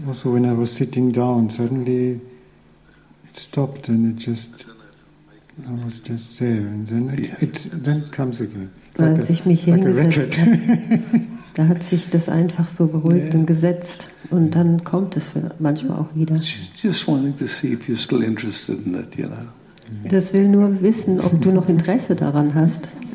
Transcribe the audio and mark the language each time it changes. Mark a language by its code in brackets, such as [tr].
[en] So when I was sitting down, suddenly it stopped and I was just there. And then then comes again. [de] Als ich mich hingesetzt habe, da hat sich das einfach so beruhigt und gesetzt. Und dann kommt es manchmal auch wieder. [en] Just wanting to see if you're still interested in it, you know. [de] Das will nur wissen, ob du noch Interesse daran hast.